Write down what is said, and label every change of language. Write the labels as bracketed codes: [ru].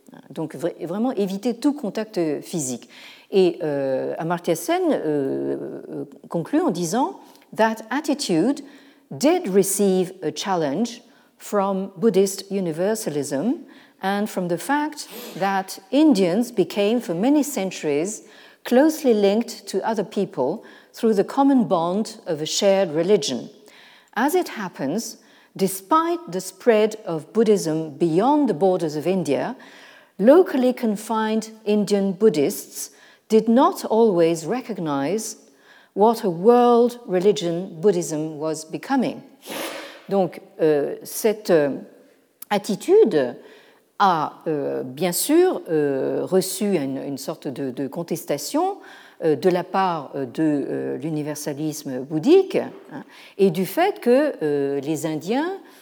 [fr] Donc vraiment éviter tout contact physique. Et Amartya Sen conclut en disant: [en] That attitude did receive a challenge from Buddhist universalism and from the fact that Indians became for many centuries closely linked to other people through the common bond of a shared religion. As it happens, despite the spread of Buddhism beyond the borders of India, locally confined Indian Buddhists did not always recognize what a world religion Buddhism was becoming. [fr] Donc, cette attitude a bien sûr reçu une sorte de contestation de la part de l'universalisme bouddhique, hein, et du fait que les Indiens